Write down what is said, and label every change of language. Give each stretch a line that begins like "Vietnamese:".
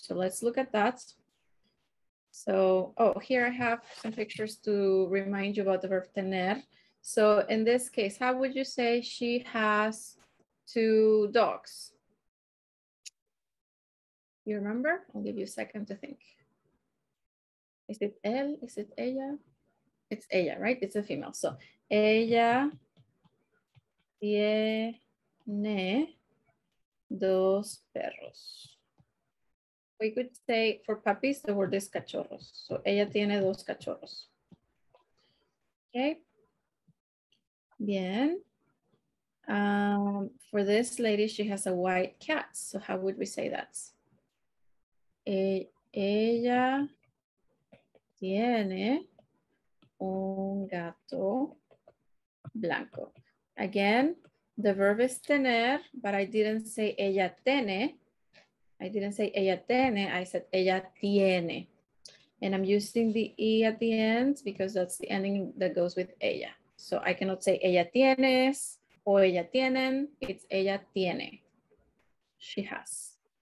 English: So let's look at that. So, oh, here I have some pictures to remind you about the verb tener. So in this case, how would you say she has two dogs? You remember? I'll give you a second to think. Is it él? Is it ella? It's ella, right? It's a female.
Spanish: So ella tiene dos perros.
English: We could say for puppies, the word is cachorros.
Spanish: So ella tiene dos cachorros. Okay. Bien.
English: For this lady, she has a white cat. So how would we say that?
Spanish: Ella tiene un gato blanco.
English: Again, the verb is tener, but I didn't say ella tiene. I didn't say ella tiene, I said ella tiene. And I'm using the E at the end because that's the ending that goes with ella. So I cannot say ella tienes or ella tienen, it's ella tiene, she has.